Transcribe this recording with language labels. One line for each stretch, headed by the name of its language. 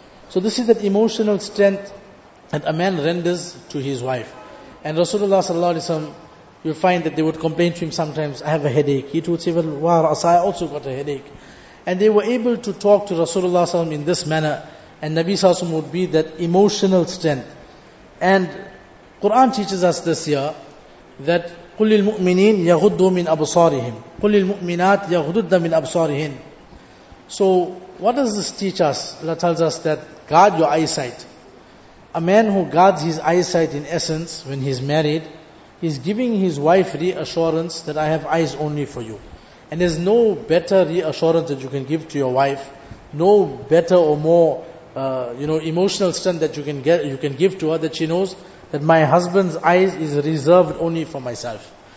English: So this is that emotional strength that a man renders to his wife. And Rasulullah sallallahu alaihi wasallam, you'll find that they would complain to him sometimes, I have a headache. He would say, well, I also got a headache. And they were able to talk to Rasulullah sallallahu alaihi wasallam in this manner. And Nabi sallallahu alaihi wasallam would be that emotional strength. And Quran teaches us this here that
Arabic: قُلْ لِلْمُؤْمِنِينَ يَغُدُّوا مِنْ أَبْصَارِهِمْ قُلْ لِلْمُؤْمِنَاتِ يَغُدُّوا مِنْ أَبْصَارِهِنَ.
English: So what does this teach us? Allah tells us that guard your eyesight. A man who guards his eyesight, in essence, when he's married, he's giving his wife reassurance that I have eyes only for you. And there's no better reassurance that you can give to your wife, no better or more emotional strength that you can give to her, that she knows that my husband's eyes is reserved only for myself.